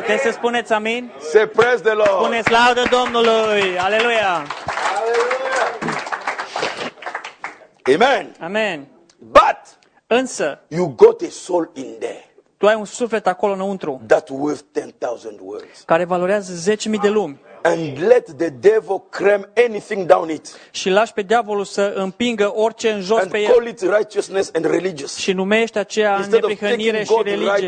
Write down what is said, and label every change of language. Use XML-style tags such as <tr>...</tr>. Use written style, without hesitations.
<ro>Puteți să spuneți amin?</ro> <en>Se praise the Lord.</en> <ro>Spuneți laudă Domnului. Aleluia. Amen. Amen.</ro> <en>But</en> <ro>însă</ro> <en>you got a soul in there.</en> <ro>Tu ai un suflet acolo înăuntru.</ro> <en>That worth 10,000 words.</en> <ro>Care valorează 10,000 de lumi.</ro> <en>And let the devil cram anything down it.</en> <ro>Și lași pe diavolul să împingă orice în jos</ro> <en>and</en> <ro>pe el.</ro> <en>And call it righteousness and religious.</en> <ro>Și numește aceea neprihănire și religie.</ro>